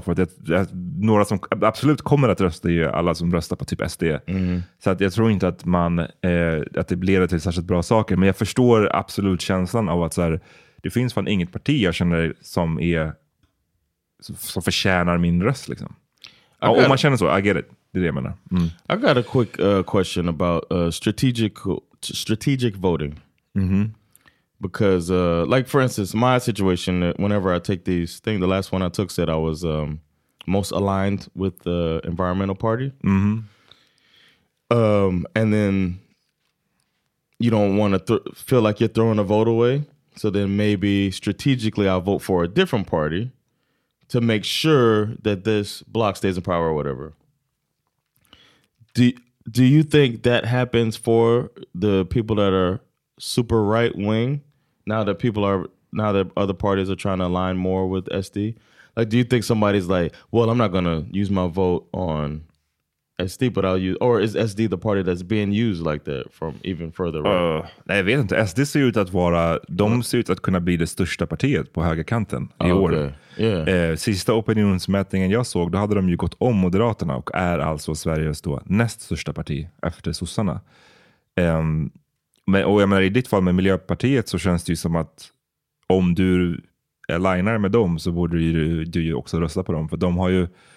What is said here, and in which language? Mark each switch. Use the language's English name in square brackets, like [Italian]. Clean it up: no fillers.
[Swedish] För att några som absolut kommer att rösta är ju alla som röstar på typ SD. Mm. Så att jag tror inte att att det leder till särskilt bra saker. Men jag förstår absolut känslan av att så här, det finns fan inget parti jag känner som är... som förtjänar min röst liksom. Om man känner så, [English] I get it. [Swedish] Det är det jag menar. Mm. [English] I got a quick question about strategic voting. Mm-hmm. Because like for instance, my situation, whenever I take these things, the last one I took said I was most aligned with the environmental party. Mm-hmm. And then you don't want to feel like you're throwing a vote away. So then maybe strategically I'll vote for a different party. To make sure that this block stays in power or whatever. Do you think that happens for the people that are super right wing? Now that other parties are trying to align more with SD? Like, do you think somebody's like, well, I'm not going to use my vote on SD, but I'll use... Or is SD the party that's being used like that from even further right? [Swedish] Jag vet inte. SD ser ut att vara... De ser ut att kunna bli det största partiet på högerkanten i år. [English] Okay. Yeah. [Swedish] Sista opinionsmätningen jag såg, då hade de ju gått om Moderaterna och är alltså Sveriges då näst största parti efter sossarna. Och jag menar, i ditt fall med Miljöpartiet så känns det ju som att om du alignar med dem så borde du ju också rösta på dem. För de har ju...